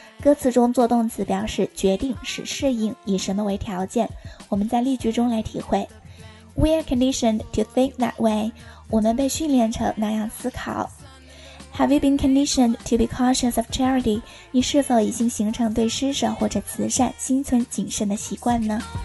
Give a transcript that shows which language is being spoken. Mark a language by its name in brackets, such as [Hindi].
[Chinese] 歌词中做动词表示决定、使适应、以什么为条件。我们在例句中来体会。 [English] We are conditioned to think that way. [Chinese] 我们被训练成那样思考。 [English] Have you been conditioned to be cautious of charity? [Chinese] 你是否已经形成对施舍或者慈善心存谨慎的习惯呢？